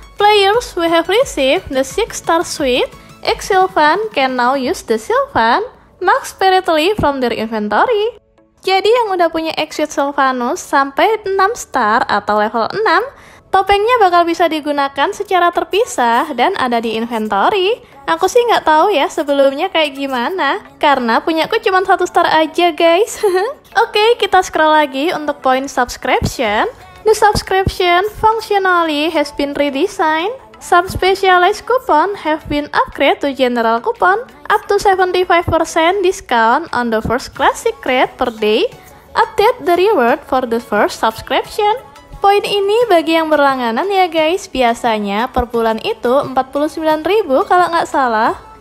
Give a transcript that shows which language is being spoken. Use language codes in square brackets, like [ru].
[en] Players who have received the 6 star sweet Exilvan can now use the Sylvan max perpetually from their inventory. [id] Jadi yang udah punya Exit Sylvanus sampai 6 star atau level 6, topengnya bakal bisa digunakan secara terpisah dan ada di inventory. Aku sih nggak tahu ya sebelumnya kayak gimana, karena punyaku cuma 1 star aja, guys. Okay, kita scroll lagi untuk poin subscription. [en] The subscription functionally has been redesigned. Some specialized coupon have been upgraded to general coupon. Up to 75% discount on the first class secret per day. update the reward for the first subscription. [id] Poin ini bagi yang berlangganan ya guys, biasanya per bulan itu 49.000 kalau nggak salah.